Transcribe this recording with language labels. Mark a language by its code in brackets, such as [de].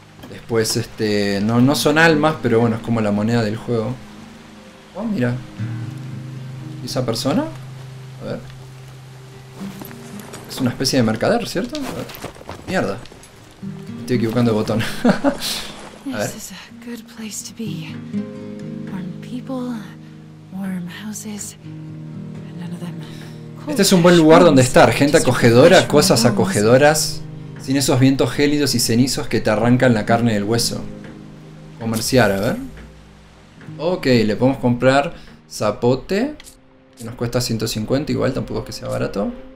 [es] después, este... no, no son almas, pero bueno, es como la moneda del juego. Oh, mira. ¿Y esa persona? A ver. Es una especie de mercader, ¿cierto? A ver. Mierda. Me estoy equivocando de botón. A ver. Este es un buen lugar para estar. [en] Warm people, warm houses, and none of them. [es] Este es un buen lugar donde estar, gente acogedora, cosas acogedoras, sin esos vientos gélidos y cenizos que te arrancan la carne del hueso. Comerciar, a ver. Ok, le podemos comprar zapote, que nos cuesta 150, igual tampoco es que sea barato.